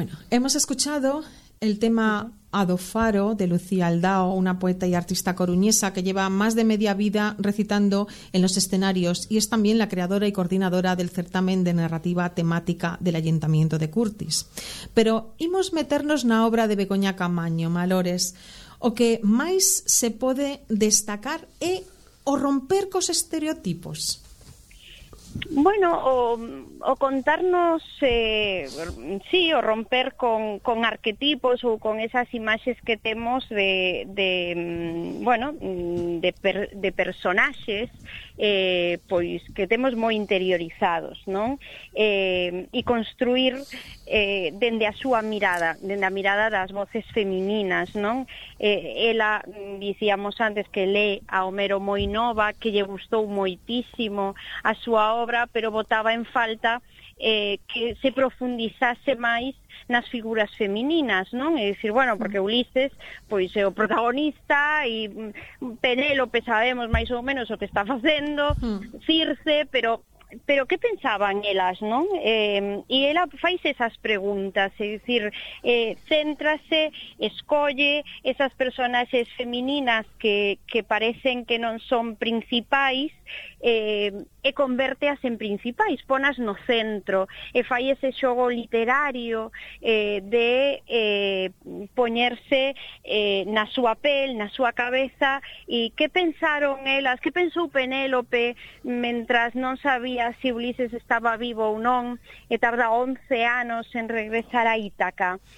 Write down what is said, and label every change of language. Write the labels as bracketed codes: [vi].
[es] Hemos escuchado el tema A do Faro, de Lucía Aldao, una poeta y artista coruñesa que lleva más de media vida recitando en los escenarios y es también la creadora y coordinadora del certamen de narrativa temática del Ayuntamiento de Curtis. [gl] Pero imos meternos na obra de Begoña Camaño, Malores. O que máis se pode destacar é o romper cos estereotipos. Bueno, o contarnos, sí, o romper con arquetipos ou con esas imaxes que temos de personaxes, pois que temos moi interiorizados, non? E construir dende a súa mirada, dende a mirada das voces femininas, non? Ela, dicíamos antes, que lee a Homero moi nova, que lle gustou moitísimo a súa obra, pero botaba en falta que se profundizase máis nas figuras femininas, non? É dicir, bueno, porque Ulises pois é o protagonista e Penélope sabemos máis ou menos o que está facendo, Circe, pero que pensaban elas, non? E ela faz esas preguntas, é dicir, céntrase, escolle esas personaxes femininas que parecen que non son principais, e convérteas en principais, ponas no centro, e fai ese xogo literario de poñerse na súa pel, na súa cabeza, e que pensaron elas, que pensou Penélope mentras non sabía se Ulises estaba vivo ou non, e tarda 11 anos en regresar a Ítaca.